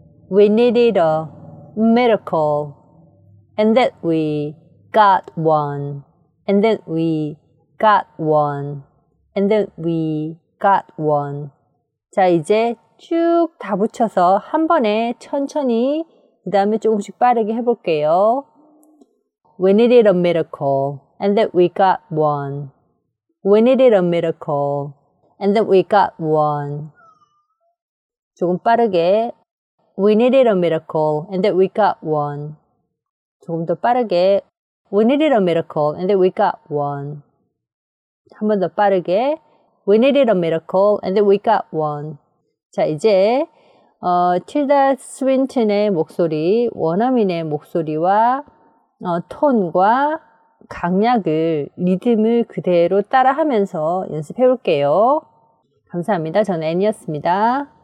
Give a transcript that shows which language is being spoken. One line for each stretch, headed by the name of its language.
English: We needed a miracle. And that we got one. And that we got one. And that we got one.
Korean: 자, 이제 쭉다 붙여서 한 번에 천천히 그 다음에 조금씩 빠르게 해볼게요.
English: We needed a miracle, and that we got one. We needed a miracle, and that we got one.
Korean: 조금 빠르게.
English: We needed a miracle, and that we got one.
Korean: 조금 더 빠르게.
English: We needed a miracle, and that we got one.
Korean: 한번더 빠르게.
English: We needed a miracle, and that we got one.
Korean: 자, 이제 틸다 스윈튼의 목소리, 원어민의 목소리와 톤과 강약을, 리듬을 그대로 따라하면서 연습해 볼게요. 감사합니다. 저는 애니였습니다.